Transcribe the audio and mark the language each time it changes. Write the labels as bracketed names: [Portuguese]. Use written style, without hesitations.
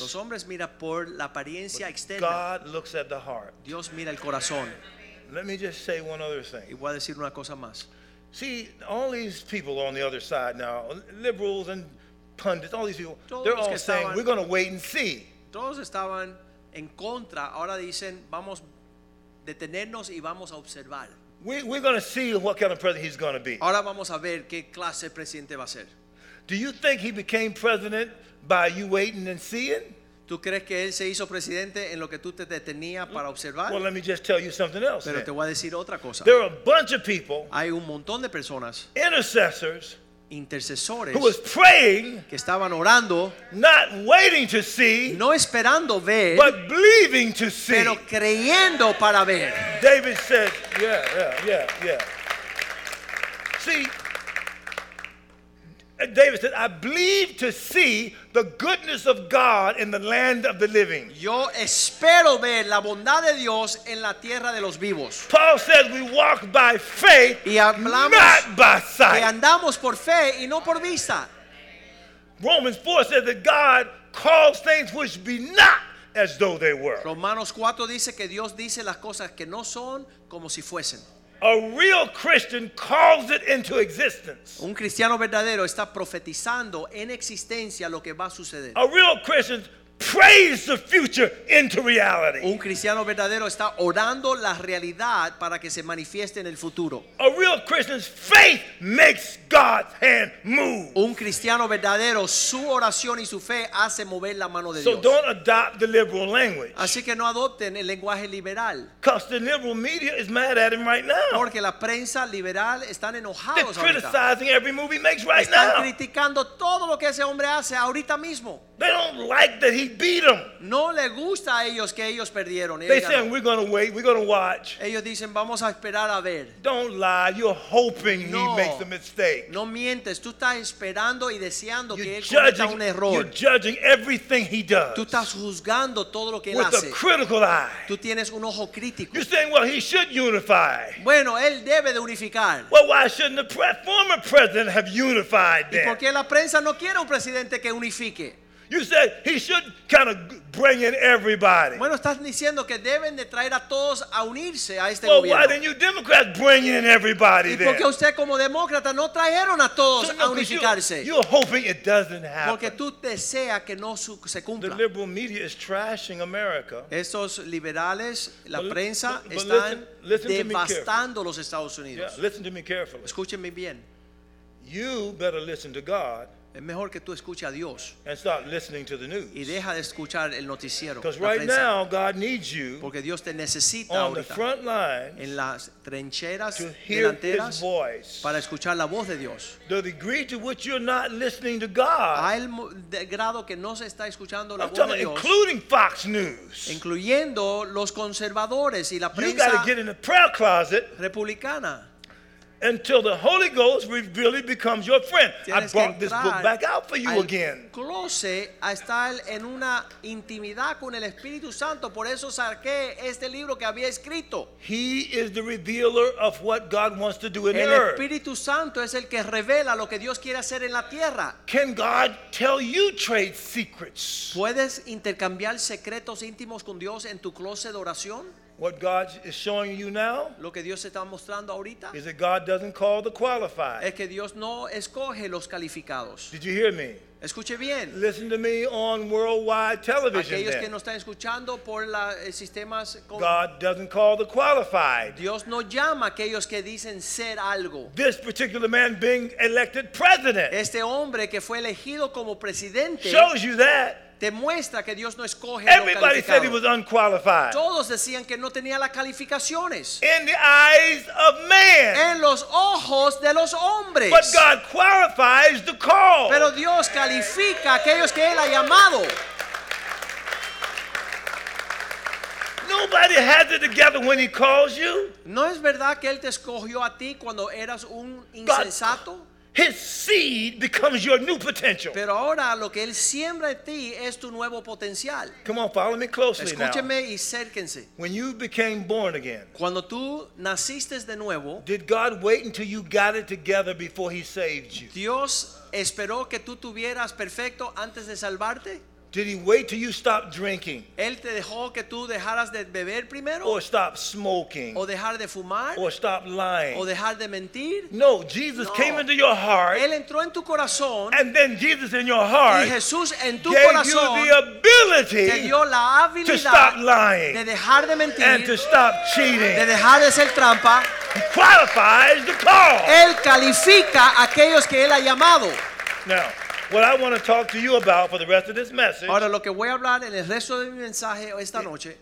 [Spanish] Los hombres mira por la apariencia externa. [English] God looks at the heart. [Spanish] Dios mira el corazón. [English] Let me just say one other thing. [Spanish] Y voy a decir una cosa más. [English] See, all these people on the other side now, liberals and pundits, all these people, they're all saying we're going to wait and see. [Spanish] Todos estaban en contra. Ahora dicen vamos detenernos y vamos a observar. [English] We're going to see what kind of president he's going to be. [Spanish] Ahora vamos a ver qué clase presidente va a ser. [English] Do you think he became president by you waiting and seeing? [Spanish] ¿Tú crees que él se hizo presidente en lo que tú te detenías para observar? [English] Well, let me just tell you something else. [Spanish] Pero te voy a decir otra cosa. [English] There are a bunch of people. [Spanish] Hay un montón de personas. [English] Intercessors. [Spanish] Intercesores. [English] Who was praying? [Spanish] Que estaban orando. [English] Not waiting to see. [Spanish] No esperando ver. [English] But believing to see. [Spanish] Pero creyendo para ver. [English] David said, Yeah. See. David said, I believe to see the goodness of God in the land of the living. [Spanish] Yo espero ver la bondad de Dios en la tierra de los vivos. [English] Paul says we walk by faith, [Spanish] y hablamos, [English] not by sight. [Spanish] Y andamos por fe y no por vista. [English] Romans 4 says that God calls things which be not as though they were. [Spanish] Romanos 4 dice que Dios dice las cosas que no son como si fuesen. [English] A real Christian calls it into existence. [Spanish] Un cristiano verdadero está profetizando en existencia lo que va a suceder. [English] A real Christian prays the future into reality. [Spanish] Un cristiano verdadero está orando la realidad para que se manifieste en el futuro. [English] A real Christian's faith makes God's hand move. [Spanish] Un cristiano verdadero, su oración y su fe hace mover la mano de Dios. [English] So don't adopt the liberal language. [Spanish] Así que no adopten el lenguaje liberal. [English] Because the liberal media is mad at him right now. [Spanish] Porque la prensa liberal están enojados. [English] They're criticizing every move he makes right now. [Spanish] Están criticando todo lo que ese hombre hace ahorita mismo. [English] They don't like that he beat them. [Spanish] No le gusta a ellos que ellos perdieron. [English] They say, we're going to wait, we're going to watch. [Spanish] Ellos dicen, vamos a esperar a ver. [English] Don't lie, you're hoping he makes a mistake. [Spanish] No mientes, tú estás esperando y deseando que él cometa un error. [English] You're judging everything he does. [Spanish] Tú estás juzgando todo lo que él hace. [English] With a critical eye. [Spanish] Tú tienes un ojo crítico. [English] You're saying, well, he should unify. [Spanish] Bueno, él debe de unificar. [English] Well, why shouldn't the former president have unified then? [Spanish] ¿Y por qué la prensa no quiere un presidente que unifique? [English] You said he should kind of bring in everybody. [Spanish] Bueno, estás diciendo que deben de traer a todos a unirse a este [English] well, [Spanish] gobierno. [English] Well, why didn't you Democrats bring in everybody then? [Spanish] ¿Y por qué usted como demócrata no trajeron a todos a unificarse? [English] You're hoping it doesn't happen. [Spanish] Porque tú deseas que no se cumpla. [English] The liberal media is trashing America. [Spanish] Estos liberales, la prensa, están devastando los Estados Unidos. [English] Yeah, listen to me carefully. [Spanish] Escúchenme bien. [English] You better listen to God. [Spanish] Es mejor que tú escuches a Dios [English] and start listening to the news. [Spanish] Y deja de escuchar el noticiero. [English] Because right now God needs you [Spanish] porque Dios te necesita [English] on [Spanish] ahorita [English] the front lines [Spanish] en las trencheras [English] to hear [Spanish] delanteras [English] his voice. [Spanish] Para escuchar la voz de Dios. [English] The degree to which you're not listening to God. [Spanish] Al grado que no se está escuchando la [English] I'm [Spanish] voz de Dios. [English] Including Fox News. [Spanish] Incluyendo los conservadores y la prensa. [English] You got to get in the prayer closet. [Spanish] Republicana. [English] Until the Holy Ghost really becomes your friend. I brought this book back out for you again. [Spanish] Close a estar en una intimidad con el Espíritu Santo. Por eso saqué este libro que había escrito. [English] He is the revealer of what God wants to do in [Spanish] el [English] the earth. [Spanish] El Espíritu Santo es el que revela lo que Dios quiere hacer en la tierra. [English] Can God tell you trade secrets? [Spanish] ¿Puedes intercambiar secretos íntimos con Dios en tu closet de oración? [English] What God is showing you now [Spanish] lo que Dios está mostrando ahorita [English] is that God doesn't call the qualified. [Spanish] Es que Dios no escoge los calificados. [English] Did you hear me? [Spanish] Escuche bien. [English] Listen to me on worldwide television. [Spanish] Aquellos que no están escuchando por los sistemas. [English] God doesn't call the qualified. [Spanish] Dios no llama aquellos que dicen ser algo. [English] This particular man being elected president. [Spanish] Este hombre que fue elegido como presidente. [English] Shows you that. [Spanish] Demuestra que Dios no escoge [English] Everybody said he was unqualified. [Spanish] Todos decían que no tenía las calificaciones. [English] In the eyes of man. [Spanish] En los ojos de los hombres. [English] But God qualifies the call. [Spanish] Pero Dios califica a aquellos que él ha llamado. [English] Nobody has it together when he calls you. [Spanish] No es verdad que él te escogió a ti cuando eras un insensato. [English] God. His seed becomes your new potential. [Spanish] Pero ahora lo que él siembra en ti es tu nuevo potencial. [English] Come on, follow me closely [Spanish] Escúcheme [English] now. [Spanish] Escúcheme y acérquense. [English] When you became born again, [Spanish] cuando tú naciste de nuevo, [English] did God wait until you got it together before he saved you? [Spanish] Dios esperó que tú tuvieras perfecto antes de salvarte? [English] Did he wait till you stopped drinking? [Spanish] ¿Él te dejó que tú dejaras de beber primero? [English] Or stop smoking? [Spanish] ¿O dejar de fumar? [English] Or stop lying? [Spanish] ¿O dejar de mentir? [English] No, Jesus [Spanish] no. [English] came into your heart. [Spanish] Él entró en tu corazón. [English] And then Jesus in your heart. [Spanish] Y Jesús en tu [English] gave [Spanish] corazón. [English] Gave you the ability to stop lying. [Spanish] De dejar de mentir. [English] And to stop cheating. [Spanish] De dejar de hacer trampa. [English] He qualifies the call. [Spanish] Él califica aquellos que él ha llamado. [English] Now. What I want to talk to you about for the rest of this message. [Spanish] Ahora lo que voy a hablar en el resto de mi mensaje esta noche